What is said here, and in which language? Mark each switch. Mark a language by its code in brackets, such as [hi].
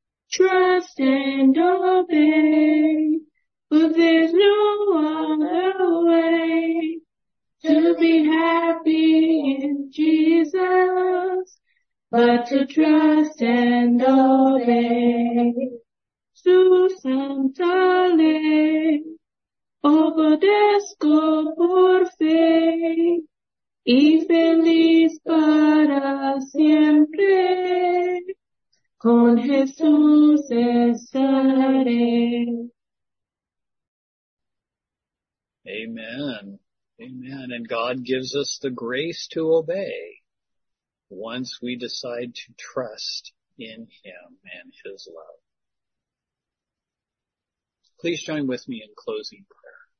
[en] Trust and obey, for there's no other way to be happy in Jesus but to trust and obey. [es] Susan Tale, obedezco por fe y feliz para siempre con Jesús estaré. [en] Amen. Amen. And God gives us the grace to obey once we decide to trust in him and his love. Please join with me in closing prayer.